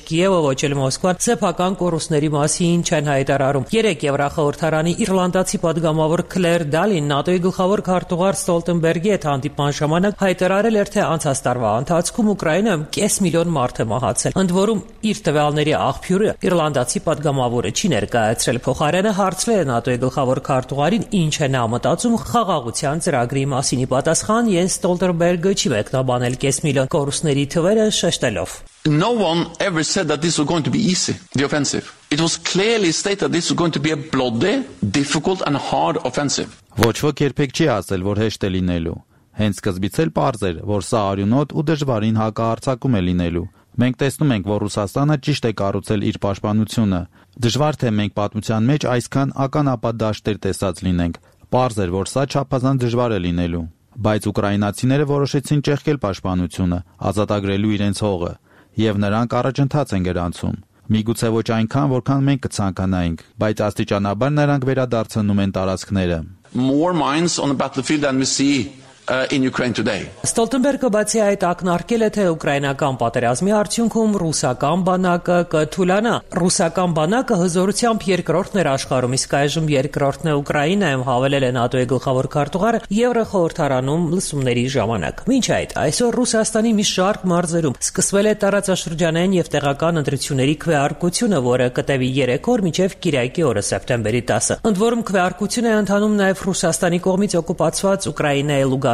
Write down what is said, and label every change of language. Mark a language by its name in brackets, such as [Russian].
[Armenian] Կիևը, ոչ էլ Մոսկվան սեփական կորուստների մասին չեն հայտարարում։ 3 Եվրախորհրդարանի իռլանդացի պատգամավոր Քլեր Դալին ՆԱՏՕ-ի գլխավոր քարտուղար Ստոլտենբերգի հետ հանդիպման ժամանակ հայտարարել էր, թե անցած տարվա ընթացքում Ուկրաինայում 500,000 մարդ է մահացել։ Ընդ որում իր տվյալների աղբյուրը իռլանդացի պատգամավորը չի ներկայացրել։ Փոխարենը հարցրել է ՆԱՏՕ-ի գլխավոր քարտուղարին, ինչ է նա մտածում խաղաղության ծրագրի մասին։ Ի պատասխան, Յենս Ստոլտենբերգը չի մեկնաբանել 500,000 կորուստների թվերը, շեշտելով. [English] No one ever said that this was going to be easy, the offensive. It was clearly stated that this was going to be a bloody, difficult and hard offensive. [Armenian] Ոչ ոք երբեք չի ասել, որ հեշտ է լինելու։ Հենց սկզբից էլ պարզ էր, որ սա արյունոտ ու դժվարին հակահարցակում է լինելու։ Մենք տեսնում ենք, որ Ռուսաստանը ճիշտ է կառուցել իր պաշտպանությունը։ Դժվար թե մենք պատմության մեջ այսքան ականապատ դաշտեր տեսած լինենք։ Պարզ էր, որ սա չափազանց դժվար է լինելու։ Բայց ուկրաինացիները որոշեցին ճեղքել պաշտպանությունը, ազատագրելու իրենց հողը։ Եվ նրանք առաջընթաց են գրանցում։ Միգուցե ոչ այնքան, որքան մենք կցանկանայինք, բայց աստիճանաբար նրանք վերադարձնում են տարածքները։ [English] More minds on the battlefield than we see in Ukraine today. [Armenian] Ստոլտենբերգը բացի այդ ակնարկել է, թե ուկրաինական պատերազմի արդյունքում ռուսական բանակը կթուլանա։ Ռուսական բանակը հզորությամբ երկրորդն էր աշխարհում, իսկ այժմ երկրորդն է Ուկրաինայում, հավելել է ՆԱՏՕ-ի գլխավոր քարտուղարը Եվրոխորհրդարանում լսումների ժամանակ։ Մինչ այդ, այսօր Ռուսաստանի մի շարք մարզերում սկսվել է տարածաշրջանային և տեղական ընտրությունների քվեարկությունը, որը կտևի 3 օր մինչև Կիրակի օրը, սեպտեմբերի 10-ը։ Ընդ որում քվեարկությունը ընդանում նաև Ռուսաստանի կողմից օկուպացված Ուկրաինայի Լուգան